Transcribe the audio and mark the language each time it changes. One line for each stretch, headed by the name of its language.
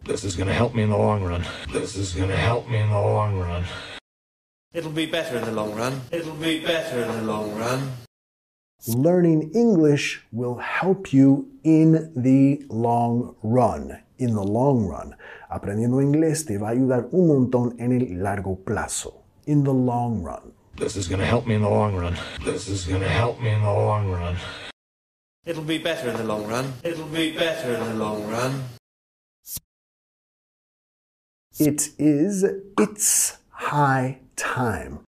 English: This is gonna help me in the long run. This is gonna help me in the long run. It'll be better in the long run. It'll be better in the long run. Learning English will help you in the long run. In the long run.
Spanish: Aprendiendo inglés te va a ayudar un montón en el largo plazo.
English: In the long run. This is going to help me in the long run. This is going to help me in the long run. It'll be better in the long run. It'll be better in the long run. It is. It's high time.